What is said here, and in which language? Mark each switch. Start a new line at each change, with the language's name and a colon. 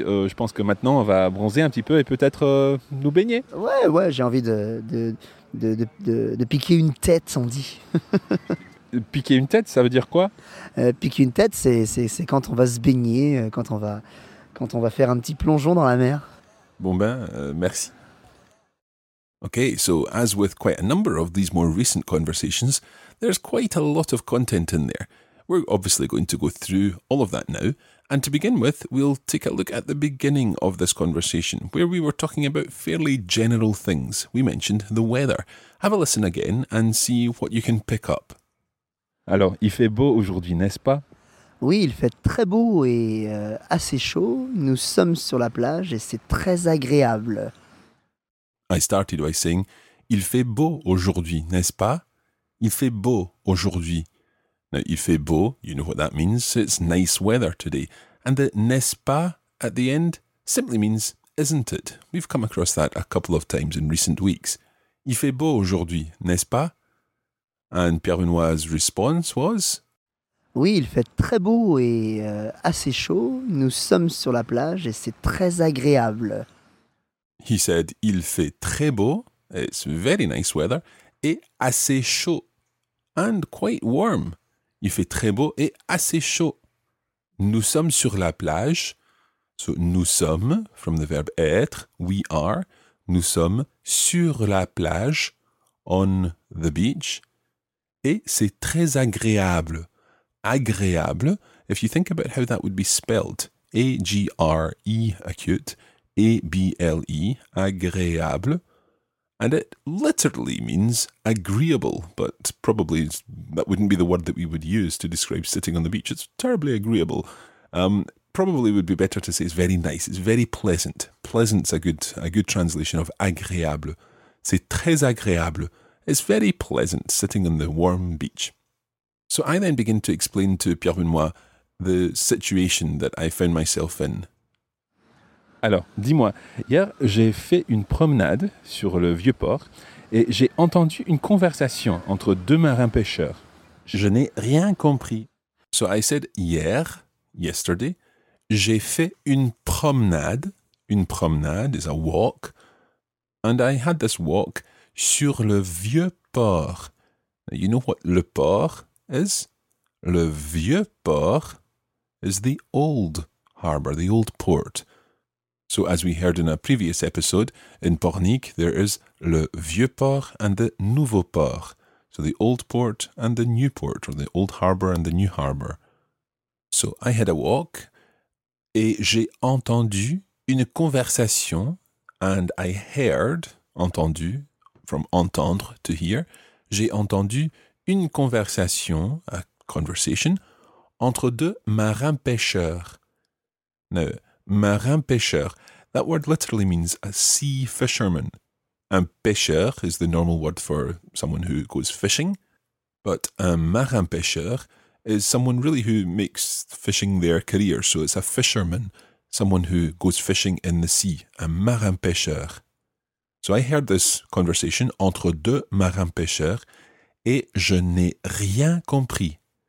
French: Je pense que maintenant, on va bronzer un petit peu et peut-être nous baigner. Ouais, j'ai envie de piquer une tête, on dit. Piquer une tête, ça veut dire quoi? Piquer une tête, c'est quand on va se baigner, quand on va faire un petit plongeon dans la mer. Merci.
English: Okay, so as with quite a number of these more recent conversations, there's quite a lot of content in there. We're obviously going to go through all of that now, and to begin with, we'll take a look at the beginning of this conversation, where we were talking about fairly general things. We mentioned the weather. Have a listen again and see what you can pick up.
French: Alors, il fait beau aujourd'hui, n'est-ce pas? Oui, il fait très beau et assez chaud. Nous sommes sur la plage et c'est très agréable.
English: I started by saying,
French: il fait beau aujourd'hui, n'est-ce pas? Il fait beau aujourd'hui.
English: Now,
French: il fait beau,
English: you know what that means, it's nice weather today. And the
French: n'est-ce pas
English: at the end simply means, isn't it? We've come across that a couple of times in recent weeks.
French: Il fait beau aujourd'hui, n'est-ce pas?
English: And Pierre Benoit's response was...
French: Oui, il fait très beau et assez chaud. Nous sommes sur la plage et c'est très agréable.
English: He said,
French: il fait très beau,
English: it's very nice weather,
French: et assez chaud,
English: and quite warm.
French: Il fait très beau et assez chaud. Nous sommes sur la plage.
English: So,
French: nous sommes,
English: from the verb être, we are.
French: Nous sommes sur la plage,
English: on the beach.
French: Et c'est très agréable.
English: Agréable, if you think about how that would be spelled, A-G-R-E, acute, A-B-L-E, agréable. And it literally means agreeable, but probably that wouldn't be the word that we would use to describe sitting on the beach. It's terribly agreeable. Probably would be better to say it's very nice, it's very pleasant. Pleasant's a good translation of agréable.
French: C'est très agréable.
English: It's very pleasant sitting on the warm beach. So I then begin to explain to Pierre Benoît the situation that I found myself in.
French: Alors, dis-moi, hier, j'ai fait une promenade sur le vieux port et j'ai entendu une conversation entre deux marins pêcheurs. Je n'ai rien compris.
English: So I said, hier, yesterday,
French: j'ai fait une promenade. Une promenade
English: is a walk. And I had this walk
French: sur le vieux port.
English: Now, you know what le port is?
French: Le vieux port
English: is the old harbour, the old port. So as we heard in a previous episode, in Pornic there is
French: le vieux port
English: and the
French: nouveau port.
English: So the old port and the new port, or the old harbour and the new harbour. So I had a walk,
French: et j'ai entendu une conversation,
English: and I heard, entendu, from entendre, to hear,
French: j'ai entendu une conversation,
English: a conversation,
French: entre deux marins pêcheurs.
English: Now, marin pêcheur, that word literally means a sea fisherman. Un pêcheur is the normal word for someone who goes fishing, but un marin pêcheur is someone really who makes fishing their career. So it's a fisherman, someone who goes fishing in the sea, a marin pêcheur. So I heard this conversation
French: entre deux marins pêcheurs et je n'ai rien compris.